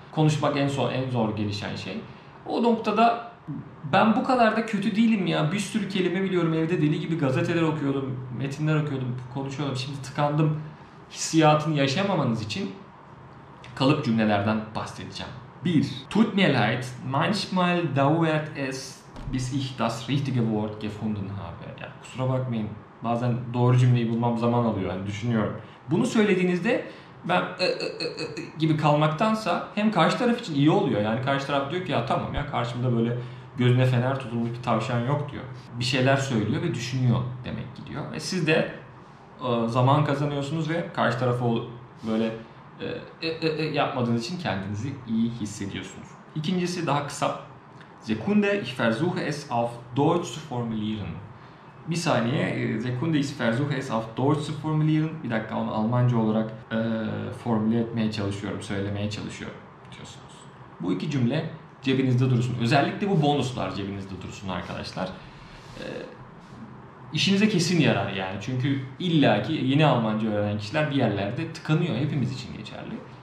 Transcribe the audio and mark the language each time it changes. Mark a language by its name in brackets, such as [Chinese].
[Turkish] Konuşmak en zor gelişen şey. O noktada ben bu kadar da kötü değilim ya, bir sürü kelime biliyorum, evde deli gibi gazeteler okuyordum, metinler okuyordum, konuşuyordum, şimdi tıkandım hissiyatını yaşamamanız için kalıp cümlelerden bahsedeceğim. 1. [German] Tut mir leid, manchmal dauert es bis ich das richtige Wort gefunden habe. [Turkish] Ya kusura bakmayın, bazen doğru cümleyi bulmam zaman alıyor, yani düşünüyorum. Bunu söylediğinizde ben gibi kalmaktansa hem karşı taraf için iyi oluyor. Yani karşı taraf diyor ki ya tamam ya, karşımda böyle gözüne fener tutulmuş bir tavşan yok diyor. Bir şeyler söylüyor ve düşünüyor demek gidiyor. Ve siz de zaman kazanıyorsunuz ve karşı tarafı böyle yapmadığınız için kendinizi iyi hissediyorsunuz. İkincisi daha kısa. [German] Sekunde, ich versuche es auf Deutsch zu formulieren. [Turkish] Bir saniye, [German] Sekunde, ich versuche es auf Deutsch zu formulieren. [Turkish] Bir dakika, onu Almanca olarak formüle etmeye çalışıyorum, söylemeye çalışıyorum diyorsunuz. Bu iki cümle cebinizde dursun. Özellikle bu bonuslar cebinizde dursun arkadaşlar. İşinize kesin yarar yani. Çünkü illaki yeni Almanca öğrenen kişiler bir yerlerde tıkanıyor. Hepimiz için geçerli.